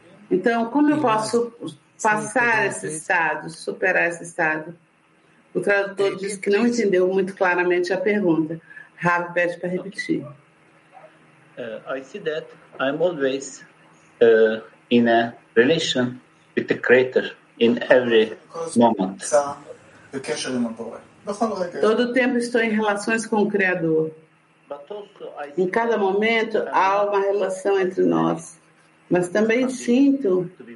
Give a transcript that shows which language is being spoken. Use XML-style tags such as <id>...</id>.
<pt>Então, como eu posso passar esse estado, superar esse estado? O tradutor disse que não entendeu muito claramente a pergunta. Rav pede para repetir.</pt> <en>I see that I'm always in a relation with the Creator in every moment.</en> <pt>Todo tempo estou em relações com o Criador. Em cada momento há uma relação entre nós. Mas também sinto.</pt>